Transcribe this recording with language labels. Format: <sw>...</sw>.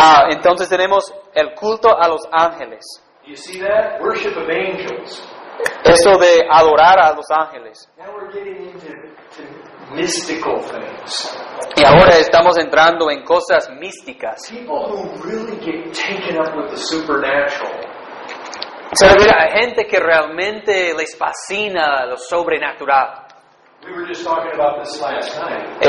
<es>Entonces tenemos el culto a los ángeles.</es> <en>You see that? Worship of angels.</en> <es>Eso de adorar a los ángeles.</es> <en>Now we're getting into mystical things.</en> <es>Y ahora estamos entrando en cosas místicas.</es> <en>People who really get taken up with the supernatural.</en> <es>Se refiere a gente que realmente les fascina lo sobrenatural.</es> <en>We were just talking about this last night.</en>